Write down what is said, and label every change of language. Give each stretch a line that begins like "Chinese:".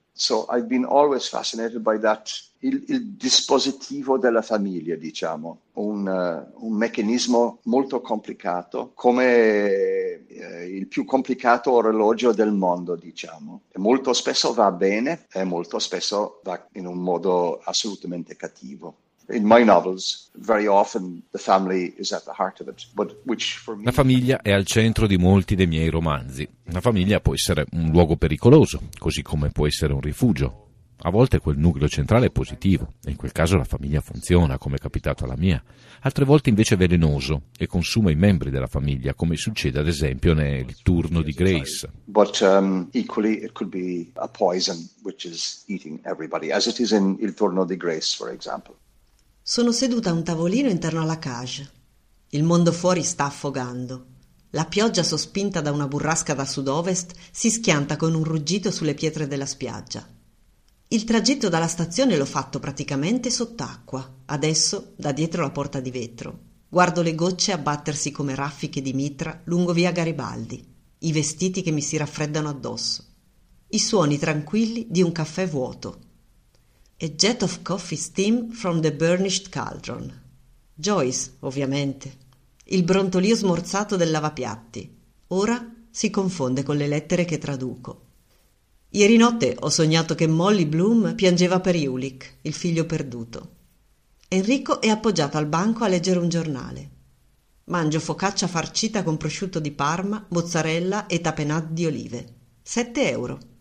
English: So I've been always fascinated by that,
Italian: il dispositivo della famiglia, diciamo, un meccanismo molto complicato, come il più complicato orologio del mondo, diciamo. E molto spesso va bene e molto spesso va in un modo assolutamente cattivo.
English: In my novels, very often the family is at the heart of it, but which for me...
Italian: La famiglia è al centro di molti dei miei romanzi. La famiglia può essere un luogo pericoloso, così come può essere un rifugio. A volte quel nucleo centrale è positivo, e in quel caso la famiglia funziona, come è capitato alla mia. Altre volte invece è velenoso e consuma i membri della famiglia, come succede ad esempio nel Turno di Grace.
English: But equally it could be a poison which is eating everybody, as it is in Il Turno di Grace, for example.
Italian: Sono seduta a un tavolino interno alla cage. Il mondo fuori sta affogando. La pioggia sospinta da una burrasca da sud-ovest si schianta con un ruggito sulle pietre della spiaggia. Il tragitto dalla stazione l'ho fatto praticamente sott'acqua. Adesso, da dietro la porta di vetro, guardo le gocce abbattersi come raffiche di mitra lungo via Garibaldi, i vestiti che mi si raffreddano addosso, i suoni tranquilli di un caffè vuoto.
English: A jet of coffee steam from the burnished cauldron.
Italian: Joyce, ovviamente. Il brontolio smorzato del lavapiatti. Ora si confonde con le lettere che traduco. Ieri notte ho sognato che Molly Bloom piangeva per Ulrich, il figlio perduto. Enrico è appoggiato al banco a leggere un giornale. Mangio focaccia farcita con prosciutto di Parma, mozzarella e tapenade di olive. 7 euro.